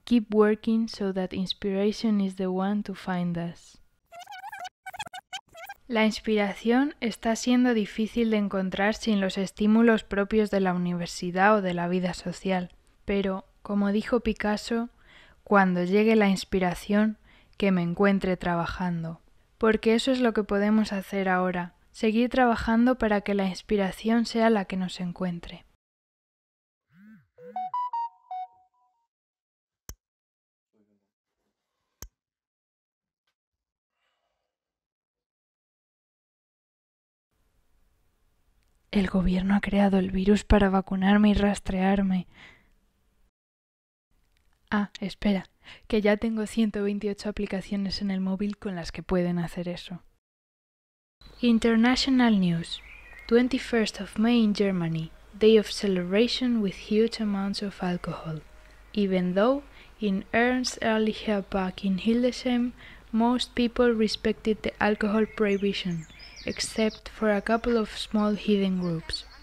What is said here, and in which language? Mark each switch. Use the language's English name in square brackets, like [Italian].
[English] Keep working so that inspiration is the one to find us. [Spanish] La inspiración está siendo difícil de encontrar sin los estímulos propios de la universidad o de la vida social. Pero, como dijo Picasso, cuando llegue la inspiración, que me encuentre trabajando. Porque eso es lo que podemos hacer ahora. Seguir trabajando para que la inspiración sea la que nos encuentre. El gobierno ha creado el virus para vacunarme y rastrearme. Ah, espera, que ya tengo 128 aplicaciones en el móvil con las que pueden hacer eso. [English] International News. 21st of May in Germany. Day of celebration with huge amounts of alcohol. Even though, in Ernst Ehrlicher Park in Hildesheim, most people respected the alcohol prohibition, except for a couple of small hidden groups.